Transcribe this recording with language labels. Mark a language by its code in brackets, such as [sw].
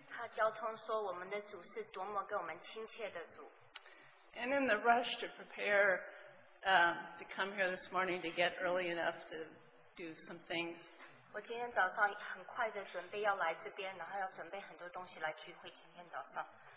[zh] 他交通说我们的主是多么跟我们亲切的主。 [en] And in the rush to prepare to come here this morning to get early enough to do some things. [zh] 我今天早上很快的准备要来这边，然后要准备很多东西来聚会。今天早上。